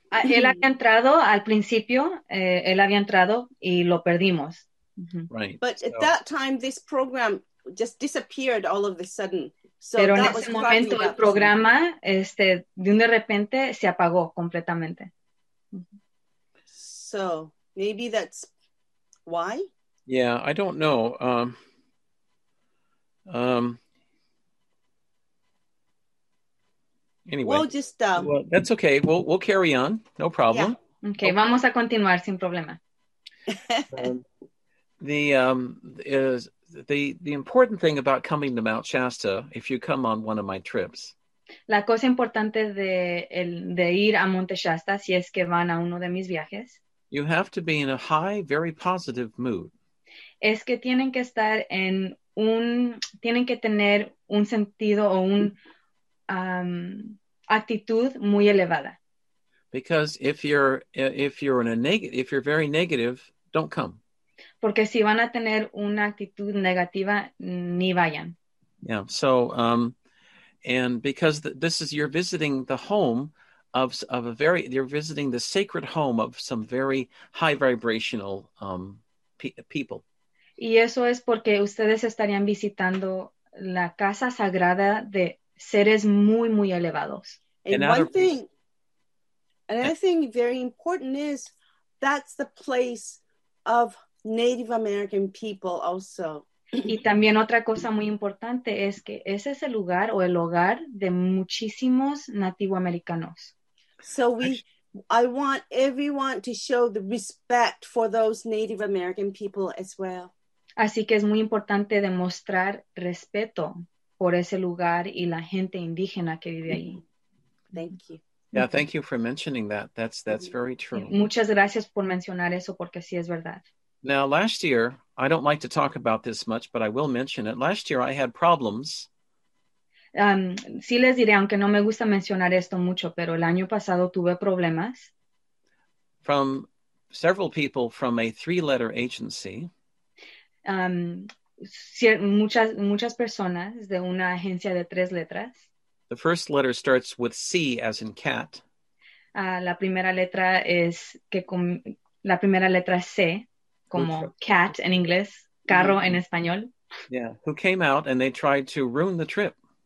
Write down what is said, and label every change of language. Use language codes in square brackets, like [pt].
[es] Él había entrado al principio, él había entrado y lo perdimos. [en] Mm-hmm. Right. But at that time, this program just disappeared all of a sudden. So [es] pero [en] that [es] en ese momento el programa de repente se apagó completamente. [en] So maybe that's why? Yeah, I don't know. Anyway, that's okay. We'll carry on. No problem. Yeah. Okay, [es] vamos a continuar sin problema. [en] The important thing about coming to Mount Shasta, if you come on one of my trips. [es] La cosa importante de ir a Monte Shasta, si es que van a uno de mis viajes. [en] You have to be in a high, very positive mood. [es] Es que tienen que estar en un, tienen que tener un sentido o un actitud muy elevada. [en] Because if you're very negative, don't come. [es] Porque si van a tener una actitud negativa, ni vayan. [en] Yeah, so and because this is you're visiting the home of a very you're visiting the sacred home of some very high vibrational people. [es] Y eso es porque ustedes estarían visitando la casa sagrada de seres muy, muy elevados. [en] Another thing very important is that's the place of Native American people also. [es] Y también otra cosa muy importante es que ese es el lugar o el hogar de muchísimos nativoamericanos. [en] So I want everyone to show the respect for those Native American people as well. [es] Así que es muy importante demostrar respeto por ese lugar y la gente indígena que vive ahí. [en] Thank you. Yeah, thank you for mentioning that. That's very true. [es] Muchas gracias por mencionar eso porque sí es verdad. [en] Now, last year, I don't like to talk about this much, but I will mention it. Last year, I had problems. [es] Sí les diré, aunque no me gusta mencionar esto mucho, pero el año pasado tuve problemas. [en] From several people from a three-letter agency. [es] Muchas personas de una agencia de tres letras. [en] The first letter starts with C as in cat. [es] La primera letra es C, como cat en inglés, carro en español. [en] Yeah, who came out and they tried to ruin the trip.